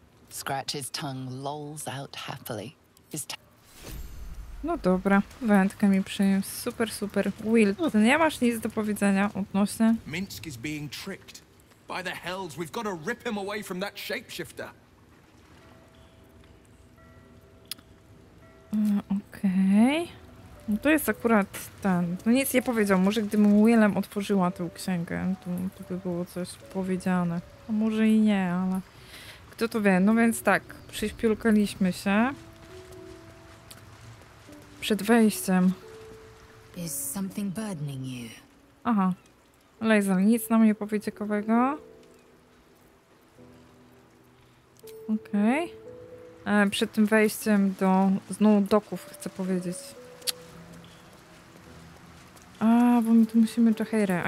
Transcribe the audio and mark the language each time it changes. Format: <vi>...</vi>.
<en>Scratch his tongue, lolls out happily.</en> <pl>No dobra, wędkę mi przyniósł. Super, super. Will, ty nie masz nic do powiedzenia odnośnie?</pl> <en>Minsk is being tricked. By the hells, we've got to rip him away from that shapeshifter.</en> <pl>Okej. No to jest akurat ten. No nic nie powiedział. Może gdybym Willem otworzyła tę księgę, to by było coś powiedziane. A może i nie, ale... Kto to wie? No więc tak, przyśpiulkaliśmy się. Przed wejściem.</pl> <en>Is something burdening you?</en> <pl>Aha. Lazel, nic nam nie powie ciekawego. Okej. Okay. Przed tym wejściem do... Znowu doków chcę powiedzieć. A, bo my tu musimy Czacheirę.</pl>